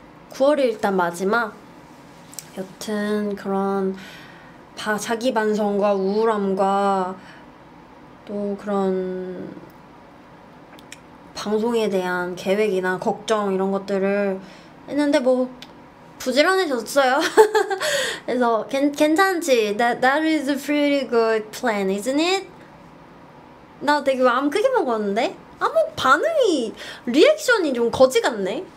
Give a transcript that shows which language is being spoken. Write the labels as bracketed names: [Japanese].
[Korean] 9월이 일단 마지막. 여튼 그런 자기 반성과 우울함과 또 그런 방송에 대한 계획이나 걱정 이런 것들을 했는데 뭐 부지런해졌어요. 그래서 괜찮지? [English] That is a pretty good plan, isn't it? [Korean] 나 되게 마음 크게 먹었는데? 아무 반응이 리액션이 좀 거지 같네?